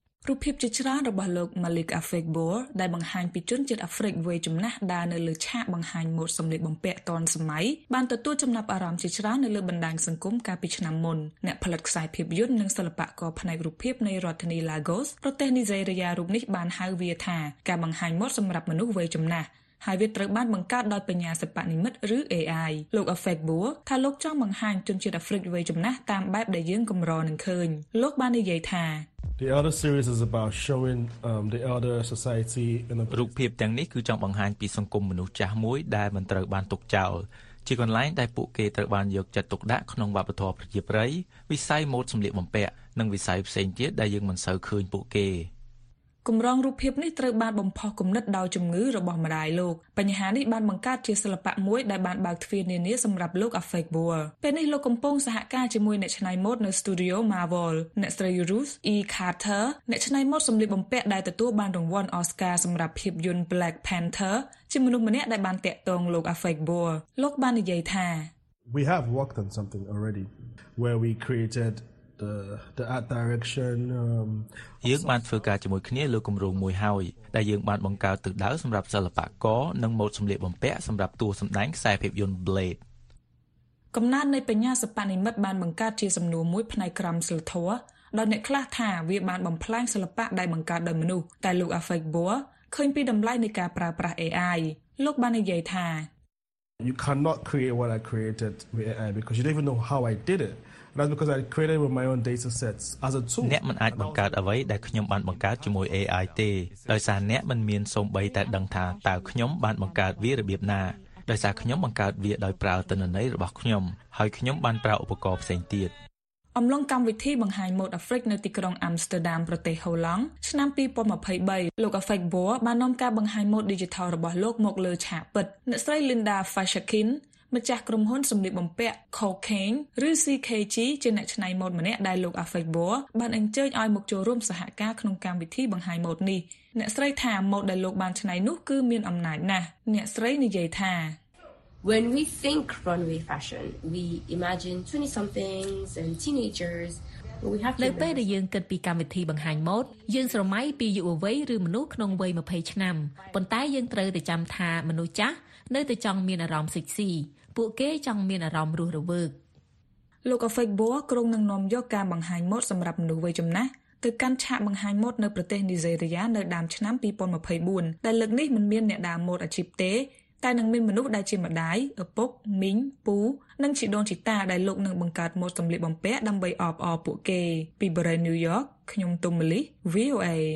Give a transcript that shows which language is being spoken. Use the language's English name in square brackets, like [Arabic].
[Khmer] រូបភាពជាច្រើនរបស់លោក Malik Afrekbol ដែលបង្ហាញពីជនជាតិអាហ្វ្រិកវ័យចំណាស់ដើរនៅលើឆាកបង្ហាញម៉ូដសម្លៀកបំពាក់ទាន់សម័យបានទទួលចំណាប់អារម្មណ៍ជាច្រើននៅលើបណ្ដាញសង្គមកាលពីឆ្នាំមុនអ្នកផលិតខ្សែភាពយន្តនិងសិល្បករផ្នែករូបភាពនៃរដ្ឋធានី Lagos ប្រទេសនីហ្សេរីយ៉ារូបនេះបានហៅវាថាការបង្ហាញម៉ូដសម្រាប់មនុស្សវ័យចំណាស់ហើយវាត្រូវបានបង្កើតដោយបញ្ញាសិប្បនិម្មិតឬ AI លោក Affectbourg ថាលោកចង់បង្ហាញជនជាតិអាហ្វ្រិកវ័យចំណាស់តាមបែបដែលយើងកម្រនឹងឃើញលោកបាននិយាយថា [English] The other series is about showing the other society in a [Khmer] រូបភាពទាំងនេះគឺចង់បង្ហាញពីសង្គមមនុស្សចាស់មួយដែលមិនត្រូវបានទុកចោលជាកន្លែងដែលពួកគេត្រូវបានយកចិត្តទុកដាក់ក្នុងវប្បធម៌ប្រជាប្រិយវិស័យម៉ូដសម្លៀកបំពាក់និងវិស័យផ្សេងទៀតដែលយើងមិនសូវឃើញពួកគេ គម្រងរូបភាពនេះត្រូវបានបំផុសគំនិតដោយជំងឺរបស់ម្ដាយលោកបញ្ហានេះបានបង្កើតជាសិល្បៈមួយដែលបានបើកទ្វារនានាសម្រាប់លោក Affectbourg ពេលនេះលោកកំពុងសហការជាមួយអ្នកច្នៃម៉ូដនៅ Studio Marvel អ្នកស្រី Ruth E. Carter អ្នកច្នៃម៉ូដសម្លៀកបំពាក់ដែលទទួលបានរង្វាន់ Oscar សម្រាប់ភាពយន្ត Black Panther ជាមនុស្សម្នាក់ដែលបានតាក់ទងលោក Affectbourg លោកបាននិយាយថា [English] We have worked on something already where we createdthe art direction [Khmer] យើងបានធ្វើការជាមួយគ្នាលើគម្រោងមួយហើយដែលយើងបានបង្កើតទិសដៅសម្រាប់សិល្បករនិងម៉ូដសម្លៀកបំពាក់សម្រាប់តួសម្ដែងខ្សែភាពយន្ត Blade កំណើននៃបញ្ញាសិប្បនិម្មិតបានបង្កើតជាសំណួរមួយផ្នែកក្រមសិលធម៌ដោយអ្នកខ្លះថាវាបានបំផ្លាញសិល្បៈដែលបង្កើតដោយមនុស្សតែលោក Affectbourg ឃើញពីតម្លៃនៃការប្រើប្រាស់ AI លោកបាននិយាយថា [English] You cannot create what I created with AI because you don't even know how I did itThat's because I created with my own data sets as a tool. [Khmer] អ្នកមិនអាចបង្កើតអ្វីដែលខ្ញុំបានបង្កើតជាមួយ AI ទេដោយសារអ្នកមិនមានសូម្បីតែដឹងថាតើខ្ញុំបានបង្កើតវារបៀបណាដោយសារខ្ញុំបង្កើតវាដោយប្រើទិន្នន័យរបស់ខ្ញុំហើយខ្ញុំបានប្រើឧបករណ៍ផ្សេងទៀត អំឡុងកម្មវិធីបង្ហាញម៉ូដអាហ្វ្រិកនៅទីក្រុងអាំស្ទើដាមប្រទេសហូឡង់ឆ្នាំ2023លោក Affectbourg បាននាំការបង្ហាញម៉ូដ Digital របស់លោកមកលើឆាកពិតអ្នកស្រី Linda Fashakinម្ចាស់ក្រុមហ៊ុនសម្លៀកបំពាក់ Cocaine ឬ CKG ជាអ្នកច្នៃម៉ូដម្នាក់ដែលលោក Affectbourg បានអញ្ជើញឲ្យមកចូលរួមសហការក្នុងកម្មវិធីបង្ហាញម៉ូដនេះអ្នកស្រីថាម៉ូដដែលលោកបានច្នៃនោះគឺមានអំណាចណាស់អ្នកស្រីនិយាយថា [English] When we think runway fashion we imagine 20 somethings and teenagers but we have [Khmer] នៅពេលដែលយើងគិតពីកម្មវិធីបង្ហាញម៉ូដយើងស្រមៃពីយុវវ័យឬមនុស្សក្នុងវ័យ20ឆ្នាំប៉ុន្តែយើងត្រូវតែចាំថាមនុស្សចាស់នៅតែចង់មានអារម្មណ៍សិចស៊ីពួកគេចង់មានអារម្មណ៍រស់រវើក លោក Affectbourg គ្រងនឹងនាំយកការបង្ហាញម៉ូដសម្រាប់មនុស្សវ័យចំណាស់ទៅកាន់ឆាកបង្ហាញម៉ូដនៅប្រទេសនីហ្សេរីយ៉ានៅដើមឆ្នាំ2024តែលើកនេះមិនមានអ្នកដើរម៉ូដអាជីពទេតែនឹងមានមនុស្សដែលជាម្ដាយឪពុកមីងពូនិងជីដូនជីតាដែលលោកនឹងបង្កើតម៉ូដសម្លៀកបំពាក់ដើម្បីអបអរពួកគេពីបរិយាញូវយ៉កខ្ញុំទុំម៉លីស VOA